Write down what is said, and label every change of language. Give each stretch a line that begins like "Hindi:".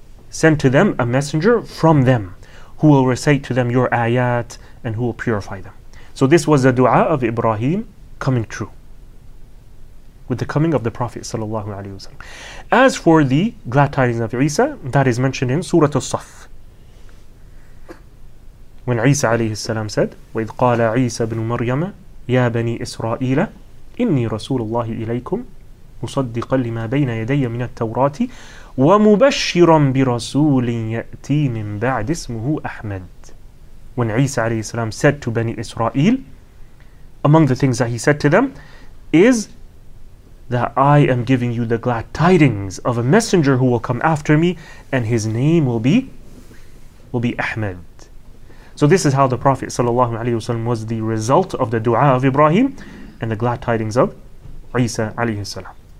English: Send to them a messenger from them who will recite to them your ayat and who will purify them. So this was the dua of Ibrahim coming true with the coming of the Prophet sallallahu alaihi wasallam. As for the glad tidings of Isa, that is mentioned in Surah As-Saff. When Isa alayhi salam said,
Arabic: وَإِذْ قَالَ عِيسَى بْنُ مَرْيَمَ يَا بَنِي إِسْرَائِيلَ إِنِّي رَسُولُ اللَّهِ إِلَيْكُمْ مُصَدِّقًا لِمَا بَيْنَ يَدَيَّ مِنَ التَّوْرَاتِ وَمُبَشِّرًا بِرَسُولٍ يَأْتِي مِنْ بَعْدِ اسْمُهُ أَحْمَدٍ.
English: When Isa alayhi salam said to Bani Israel, among the things that he said to them is that I am giving you the glad tidings of a messenger who will come after me, and his name will be Ahmed. So this is how the Prophet sallallahu alaihi wasallam was the result of the dua of Ibrahim and the glad tidings of Isa alayhi salam.